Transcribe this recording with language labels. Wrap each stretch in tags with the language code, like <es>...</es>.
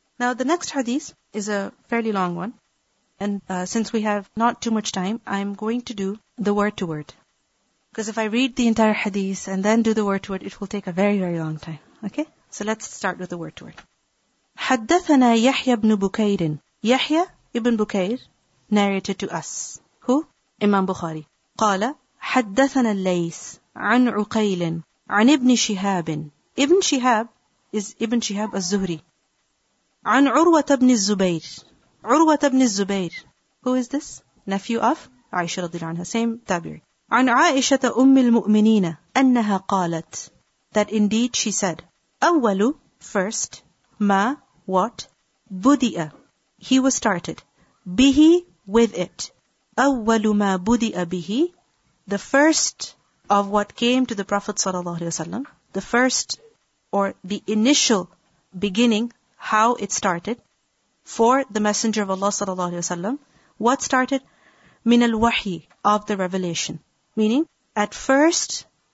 <en>Now the next hadith is a fairly long one. And since we have not too much time, I'm going to do the word to word. Because if I read the entire hadith and then do the word to word, it will take a very, very long time. Okay? So let's start with the word to word.</en> <ar>حدثنا يحيى بن بكير.</ar> <en>يحيى ابن بكير narrated to us. Who? Imam Bukhari.</en> <ar>قال حدثنا الليث عن عقيل عن ابن شهاب.</ar> <en>Ibn Shihab is Ibn Shihab al-Zuhri. عن عروة بن الزبير. عروة بن الزبير. Who is this? Nephew of عائشة رضي الله عنها. Same tabi'i.</en> <ar>عن عائشة أم المؤمنين أنها قالت.</ar> <en>That indeed she said. أول first. ما what بُدِئَ he was started بِهِ with it</en> <ar>أَوَّلُ مَا بُدِئَ بِهِ</ar> <en>the first of what came to the Prophet صلى الله عليه وسلم the first or the initial beginning how it started for the Messenger of Allah صلى الله عليه وسلم what started</en> <ar>مِنَ الْوَحِي</ar> <en>of the revelation meaning at first</en>